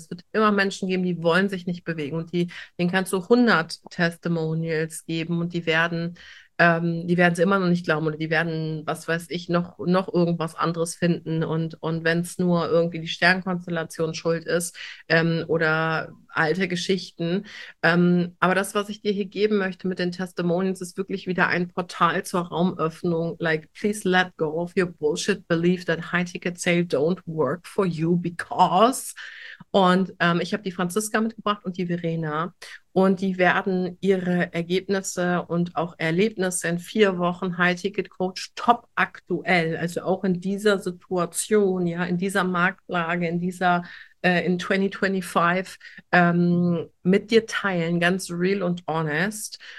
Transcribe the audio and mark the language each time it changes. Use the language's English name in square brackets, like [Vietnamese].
[German] Es wird immer Menschen geben, die wollen sich nicht bewegen und denen kannst du 100 Testimonials geben und die werden es immer noch nicht glauben oder die werden, was weiß ich, noch irgendwas anderes finden und wenn es nur irgendwie die Sternkonstellation schuld ist oder alte Geschichten. Aber das, was ich dir hier geben möchte mit den Testimonials, ist wirklich wieder ein Portal zur Raumöffnung. [English] Like, please let go of your bullshit belief that high-ticket sale don't work for you because. [German] Und ich habe die Franziska mitgebracht und die Verena. Und die werden ihre Ergebnisse und auch Erlebnisse in 4 Wochen High-Ticket-Coach top aktuell, also auch in dieser Situation, ja, in dieser Marktlage, in 2025 mit dir teilen, ganz real und honest.